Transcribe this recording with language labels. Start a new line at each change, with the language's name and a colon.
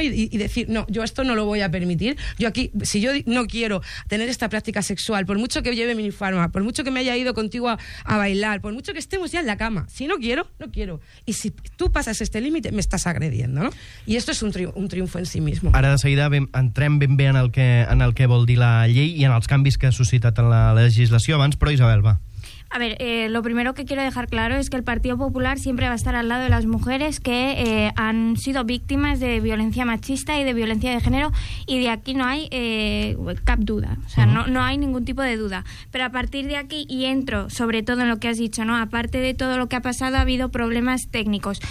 Spanish: Y decir, no, yo esto no lo voy a permitir. Yo aquí, si yo no quiero tener esta práctica sexual, por mucho que lleve minifarma, por mucho que me haya ido contigo a bailar, por mucho que estemos ya en la cama, si no quiero, no quiero. Y si tú pasas este límite, me estás agrediendo, ¿no? Y esto es un triunfo en sí mismo.
Catalan: Ara de seguida entrem ben bé en el que vol dir la llei i en els canvis que ha suscitat en la legislació abans, però Isabel, va.
Spanish: A ver, lo primero que quiero dejar claro es que el Partido Popular siempre va a estar al lado de las mujeres que han sido víctimas de violencia machista y de violencia de género, y de aquí no hay cap duda, o sea, no hay ningún tipo de duda. Pero a partir de aquí, y entro sobre todo en lo que has dicho, ¿no? Aparte de todo lo que ha pasado, ha habido problemas técnicos.